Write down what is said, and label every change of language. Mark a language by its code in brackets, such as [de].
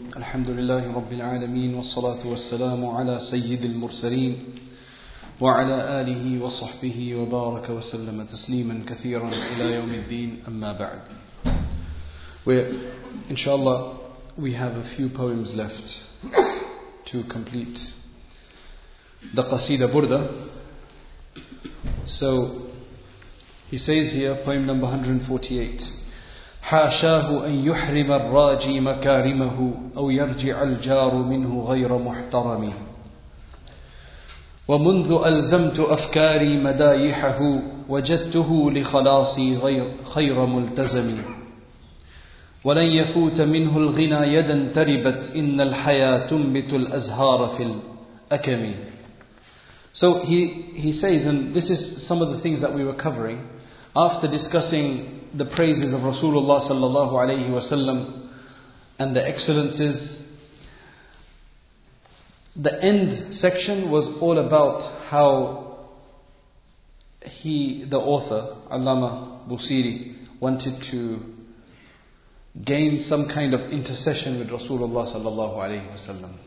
[ar] الحمد لله رب العالمين، والصلاة والسلام على سيد المرسلين وعلى آله وصحبه وبارك وسلم تسليما كثيرا إلى يوم الدين، أما بعد. [en] We're, inshallah, we have a few poems left to complete the Qasida Burda. So he says here, poem number 148. [ar] حاشاه أن يحرم الراجي مكارمه أو يرجع الجار منه غير محترم ومنذ ألزمت أفكاري مدايحه وجدته لخلاصي خير ملتزم ولن يفوت منه الغنى يدا تربت إن الحياة تنبت الأزهار في الأكم. [en] So he says, and this is some of the things that we were covering after discussing the praises of Rasulullah sallallahu alayhi wa sallam and the excellences. The end section was all about how he, the author, Allama Busiri, wanted to gain some kind of intercession with Rasulullah sallallahu alayhi wa sallam.